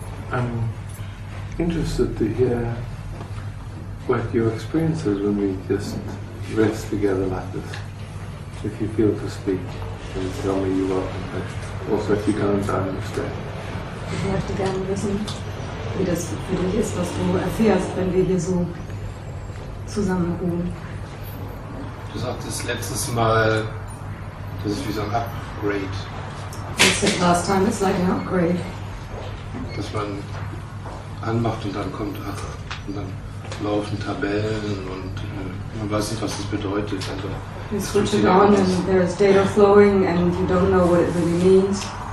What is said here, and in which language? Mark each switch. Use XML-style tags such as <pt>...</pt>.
<en>I'm interested to hear what your experience is when we just rest together like this. If you feel to speak, then tell me you're welcome. Also, if you don't, I understand.</en> <de>Ich möchte gerne wissen, wie das für dich ist, was du erfährst, wenn wir hier so zusammenruhen. Du sagtest letztes Mal, das ist wie so ein Upgrade.</de> <en>You said last time it's like an upgrade.</en> <de>Dass man anmacht und dann kommt, ach, und dann laufen Tabellen und man weiß nicht, was das bedeutet. Also,</de> <en>you switch it on and there is data flowing and you don't know what it really means.</en>